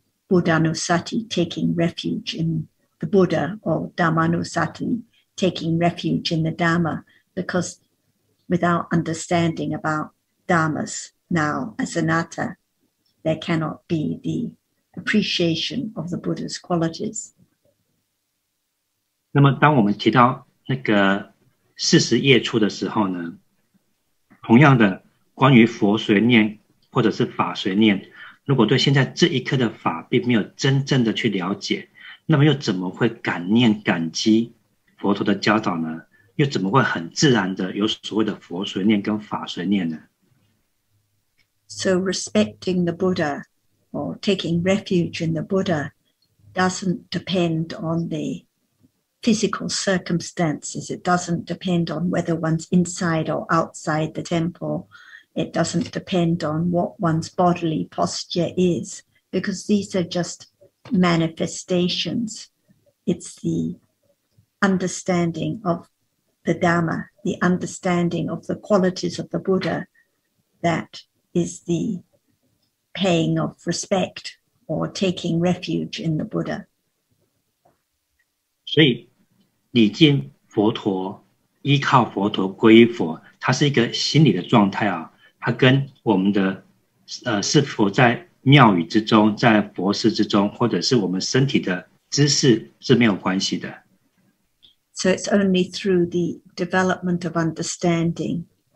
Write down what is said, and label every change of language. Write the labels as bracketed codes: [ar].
[en] Buddhanusati taking refuge in the Buddha or Dhammanusati taking refuge in the Dhamma, because without understanding about Dhammas, now, as anatta, there cannot be the appreciation of the Buddha's qualities. [zh] 那么当我们提到那个四十业处的时候呢，同样的，关于佛随念或者是法随念，如果对现在这一刻的法并没有真正的去了解，那么又怎么会感念感激佛陀的教导呢？又怎么会很自然的有所谓的佛随念跟法随念呢？ [en] So respecting the Buddha or taking refuge in the Buddha doesn't depend on the physical circumstances. It doesn't depend on whether one's inside or outside the temple. It doesn't depend on what one's bodily posture is, because these are just manifestations. It's the understanding of the Dhamma, the understanding of the qualities of the Buddha thatis the paying of respect or taking refuge in the Buddha. [zh] 所以礼敬佛陀、依靠佛陀、皈依佛，它是一个心理的状态啊。它跟我们的是否在庙宇之中、在佛寺之中，或者是我们身体的姿势是没有关系的。 [en] So it's only through the development of understanding.